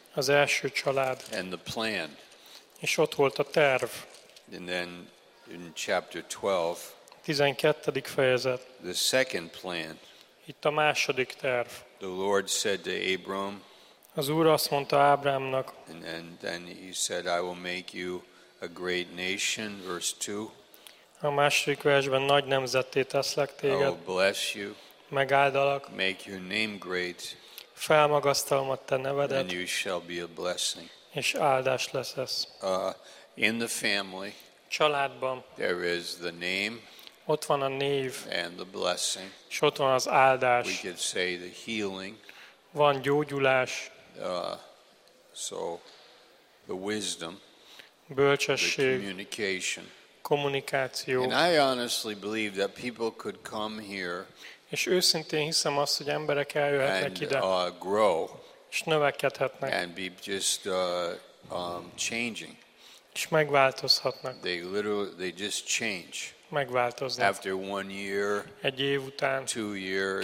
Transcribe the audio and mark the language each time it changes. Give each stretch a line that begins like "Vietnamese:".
Hungarian: Az első család.
English: And the plan.
Hungarian: És ott volt a terv.
English: And then in chapter 12.
Hungarian: 12. fejezet.
English: The second plan.
Hungarian: Itt a második terv.
English: The Lord said to Abram.
Hungarian: Az Úr azt mondta Ábrámnak.
English: And then he said, I will make you a great nation. Verse 2.
Hungarian: A második versben nagy nemzetté teszlek téged.
English: I will bless you.
Hungarian: Megáldalak.
English: Make your name great.
Hungarian: Felmagasztalom a te nevedet.
English: And you shall be a blessing.
Hungarian: És áldás lesz ez.
English: In the family.
Hungarian: Családban.
English: There is the name.
Hungarian: Ott van a név.
English: And the blessing.
Hungarian: És ott van az áldás.
English: We could say the healing.
Hungarian: Van gyógyulás.
English: So the wisdom.
Hungarian: Bölcsesség.
English: The communication.
Hungarian: Kommunikáció.
English: And I honestly believe that people could come here.
Hungarian: És őszintén hiszem azt, hogy emberek eljöhetnek ide.
English: Grow,
Hungarian: és növekedhetnek.
English: And be just changing.
Hungarian: És megváltozhatnak.
English: They just change.
Hungarian: Megváltoznak.
English: After 1 year.
Hungarian: Egy év után.
English: 2 years.